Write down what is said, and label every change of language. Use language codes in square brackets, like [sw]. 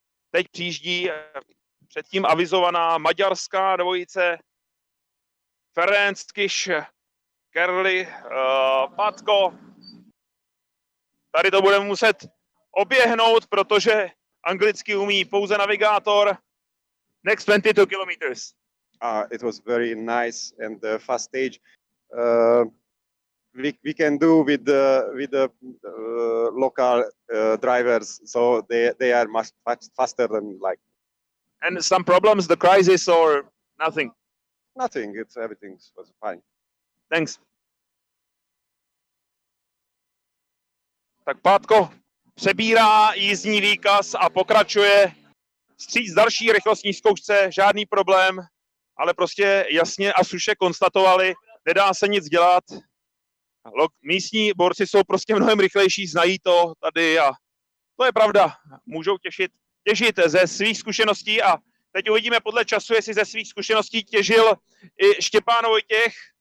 [cs] Teď přijíždí předtím avizovaná maďarská dvojice Ferenc Kiss, Kerli Patko. Tady to budeme muset oběhnout, protože anglicky umí pouze navigátor. [en] Next 22 kilometers. It was very nice and fast stage. We can do with the local drivers, so they are much faster than like. And some problems, the crisis or nothing? Nothing. It's everything was fine. Thanks. [cs] Tak Pátko přebírá jízdní výkaz a pokračuje stříc další rychlostní zkoušce, žádný problém, ale prostě jasně a suše konstatovali, nedá se nic dělat. Místní borci jsou prostě mnohem rychlejší, znají to tady a to je pravda, můžou těžit ze svých zkušeností a teď uvidíme podle času, jestli ze svých zkušeností těžil i Štěpán Vojtěch.